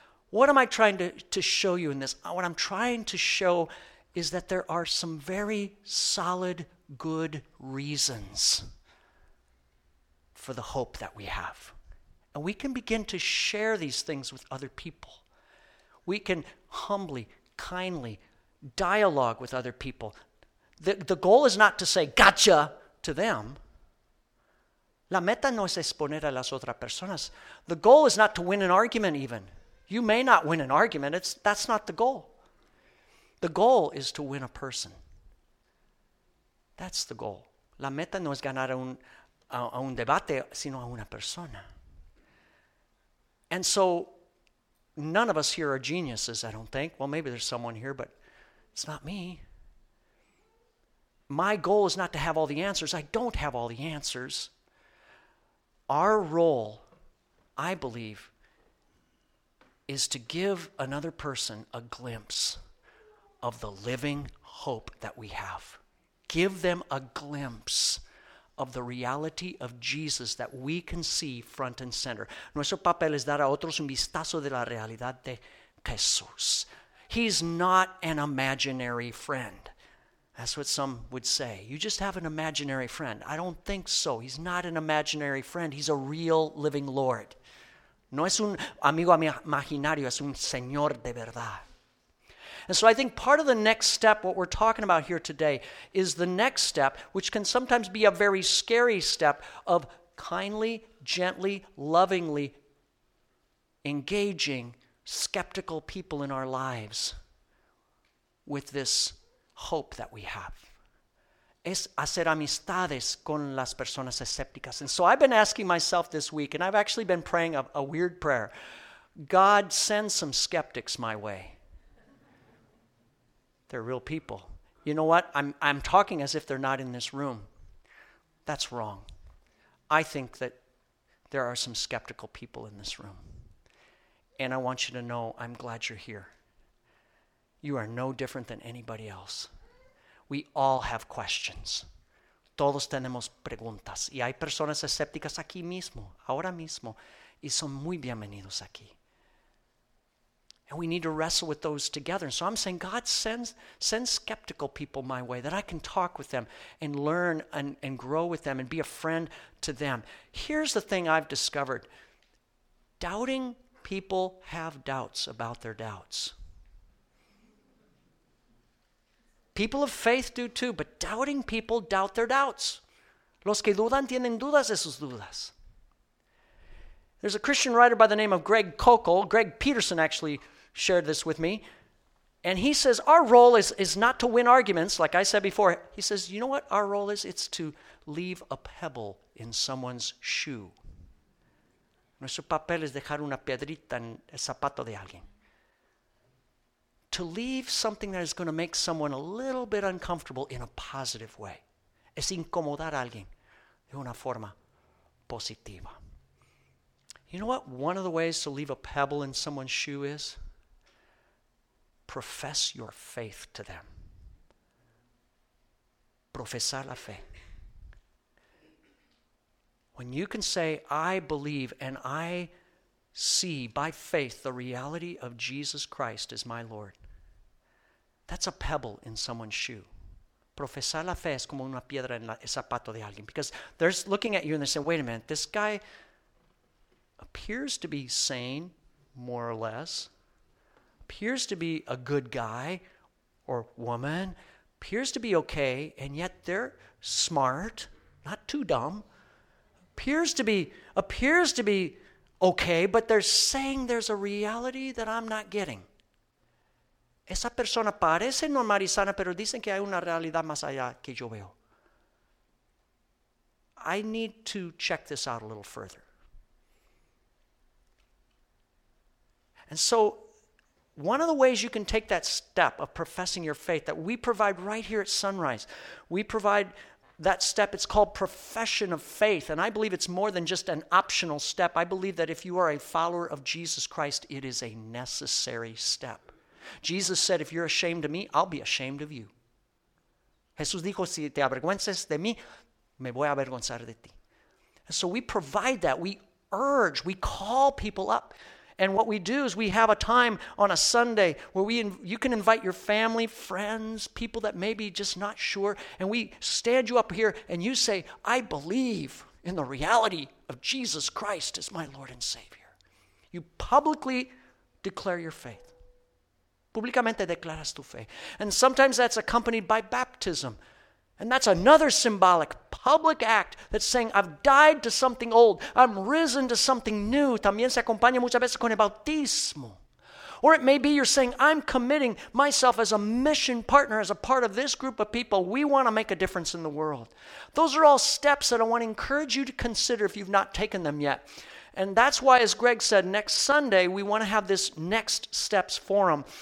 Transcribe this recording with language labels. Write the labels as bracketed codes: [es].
[en] What am I trying to show you in this? What I'm trying to show is that there are some very solid, good reasons for the hope that we have. And we can begin to share these things with other people. We can humbly, kindly dialogue with other people. The goal is not to say, gotcha, to them. [es] La meta no es exponer a las otras personas. [en] The goal is not to win an argument even. You may not win an argument. That's not the goal. The goal is to win a person. That's the goal. [es] La meta no es ganar a un debate, sino a una persona. [en] And so none of us here are geniuses, I don't think. Well, maybe there's someone here, but it's not me. My goal is not to have all the answers. I don't have all the answers. Our role, I believe, is to give another person a glimpse of the living hope that we have. Give them a glimpse of the reality of Jesus that we can see front and center. [es] Nuestro papel es dar a otros un vistazo de la realidad de Jesús. [en] He's not an imaginary friend. That's what some would say. You just have an imaginary friend. I don't think so. He's not an imaginary friend. He's a real living Lord. [es] No es un amigo imaginario, es un Señor de verdad. [en] And so I think part of the next step, what we're talking about here today, is the next step, which can sometimes be a very scary step, of kindly, gently, lovingly engaging skeptical people in our lives with this hope that we have. [es] Es hacer amistades con las personas escépticas. [en] And so I've been asking myself this week, and I've actually been praying a weird prayer. God, send some skeptics my way. They're real people. You know what? I'm talking as if they're not in this room. That's wrong. I think that there are some skeptical people in this room. And I want you to know I'm glad you're here. You are no different than anybody else. We all have questions. [es] Todos tenemos preguntas. Y hay personas escépticas aquí mismo, ahora mismo. Y son muy bienvenidos aquí. [en] And we need to wrestle with those together. And so I'm saying, God, send skeptical people my way that I can talk with them and learn and grow with them and be a friend to them. Here's the thing I've discovered. Doubting people have doubts about their doubts. People of faith do too, but doubting people doubt their doubts. [es] Los que dudan tienen dudas de sus dudas. [en] There's a Christian writer by the name of Greg Kochel. Greg Peterson actually shared this with me. And he says, our role is not to win arguments, like I said before. He says, you know what our role is? It's to leave a pebble in someone's shoe. [es] Nuestro papel es dejar una piedrita en el zapato de alguien. [en] To leave something that is going to make someone a little bit uncomfortable in a positive way. [es] Es incomodar a alguien de una forma positiva. [en] You know what one of the ways to leave a pebble in someone's shoe is? Profess your faith to them. [es] Profesar la fe. [en] When you can say, I believe and I see by faith the reality of Jesus Christ as my Lord, that's a pebble in someone's shoe. [es] Profesar la fe es como una piedra en el zapato de alguien. [en] Because they're looking at you and they say, wait a minute, this guy appears to be sane, more or less, appears to be a good guy or woman, appears to be okay, and yet they're smart, not too dumb, appears to be okay, but they're saying there's a reality that I'm not getting. [es] Esa persona parece normal y sana, pero dicen que hay una realidad más allá que yo veo. [en] I need to check this out a little further. And so one of the ways you can take that step of professing your faith that we provide right here at Sunrise, we provide that step, it's called profession of faith. And I believe it's more than just an optional step. I believe that if you are a follower of Jesus Christ, it is a necessary step. Jesus said, if you're ashamed of me, I'll be ashamed of you. [es] Jesús dijo, si te avergüences de mí, me voy a avergonzar de ti. [en] And so we provide that. We urge, we call people up. And what we do is we have a time on a Sunday where you can invite your family, friends, people that may be just not sure. And we stand you up here and you say, I believe in the reality of Jesus Christ as my Lord and Savior. You publicly declare your faith. [es] Públicamente declaras tu fe. [en] And sometimes that's accompanied by baptism. And that's another symbolic public act that's saying, I've died to something old. I'm risen to something new. [es] También se acompaña muchas veces con el bautismo. [en] Or it may be you're saying, I'm committing myself as a mission partner, as a part of this group of people. We want to make a difference in the world. Those are all steps that I want to encourage you to consider if you've not taken them yet. And that's why, as Greg said, next Sunday, we want to have this Next Steps Forum.